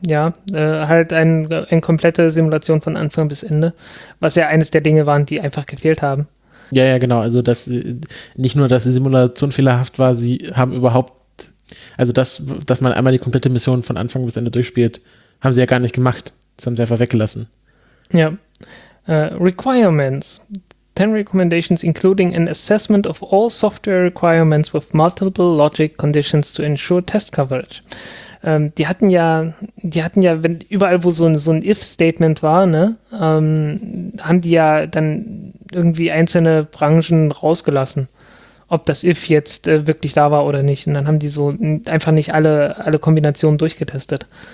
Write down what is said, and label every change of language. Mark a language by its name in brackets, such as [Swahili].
[German] Ja, halt eine komplette Simulation von Anfang bis Ende, was ja eines der Dinge waren, die einfach gefehlt haben. Ja, ja, genau. Also das, nicht nur, dass die Simulation fehlerhaft war, sie haben überhaupt, also das, dass man einmal die komplette Mission von Anfang bis Ende durchspielt, haben sie ja gar nicht gemacht. Das haben sie einfach weggelassen. Ja. Requirements. [English] 10 recommendations including an assessment of all software requirements with multiple logic conditions to ensure test coverage. [German] Die hatten ja, wenn überall, wo so ein If-Statement war, ne, haben die ja dann irgendwie einzelne Branchen rausgelassen, ob das If jetzt wirklich da war oder nicht. Und dann haben die so einfach nicht alle Kombinationen durchgetestet.